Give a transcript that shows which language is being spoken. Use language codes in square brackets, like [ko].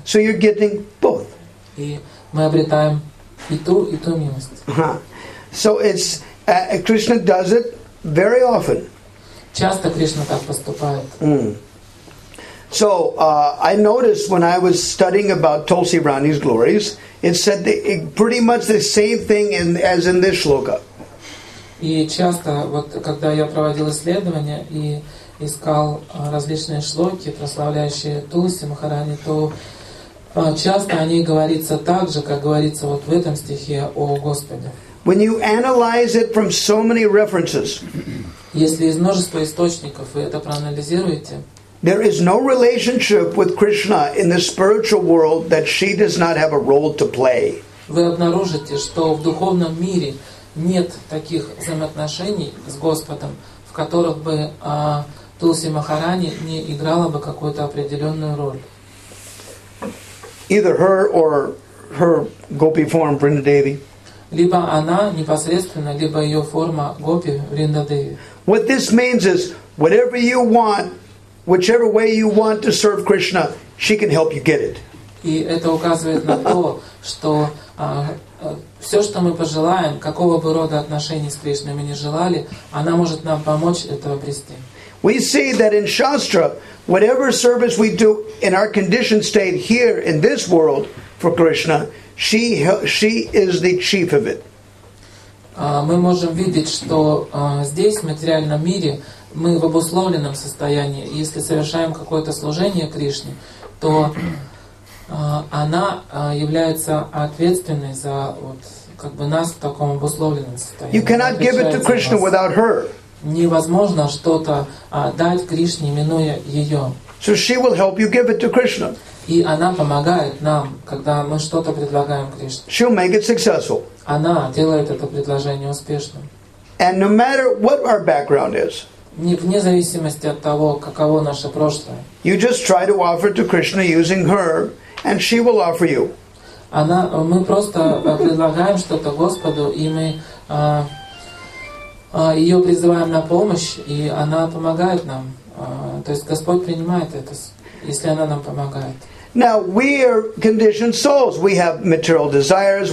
[en] So you're getting both. [ru] И мы обретаем и ту милость. [en] So it's, Krishna does it very often. [ru] Часто Кришна так поступает. [en] So I noticed when I was studying about Tulsi Rani's glories, it said pretty much the same thing as in this shloka. [ru] И часто вот когда я проводил исследования и искал различные шлоки, прославляющие Тулси Махарани, то часто о ней говорится так же, как говорится вот в этом стихе о Господе. [en] When you analyze it from so many references. [ru] Если из множества источников вы это проанализируете. [en] There is no relationship with Krishna in the spiritual world that she does not have a role to play. [ru] Вы обнаружите, что в духовном мире нет таких взаимоотношений с Господом, в которых бы Тулси Махарани не играла бы какую-то определенную роль. [en] Either her or her gopi form, Vrindadevi. [ru] Либо она непосредственно, либо ее форма гопи, Вриндадеви. [en] What this means is, whatever you want, whichever way you want to serve Krishna, she can help you get it. [ru] И это указывает на то, что все, что мы пожелаем, какого бы рода отношений с Кришной мы не желали, она может нам помочь это обрести. [en] We see that in Shastra, whatever service we do in our conditioned state here in this world for Krishna, she is the chief of it. [ru] Мы можем видеть, что здесь, в материальном мире, мы в обусловленном состоянии. Если совершаем какое-то служение Кришне, то она является ответственной за вот, как бы нас в таком обусловленном состоянии. [en] You cannot give it to Krishna without her. [ru] Невозможно что-то дать Кришне, минуя ее. [en] So she will help you give it to Krishna. [ru] И она помогает нам, когда мы что-то предлагаем Кришне. [en] She'll make it successful. [ru] Она делает это предложение успешным. [en] And no matter what our background is, [ru] вне зависимости от того, каково наше прошлое. [en] You just try to offer to Krishna using her, and she will offer you. [ru] Она, мы просто предлагаем что-то Господу, и мы ее призываем на помощь, и она помогает нам. То есть Господь принимает это, если она нам помогает. [en] Now we are conditioned souls. We have material desires.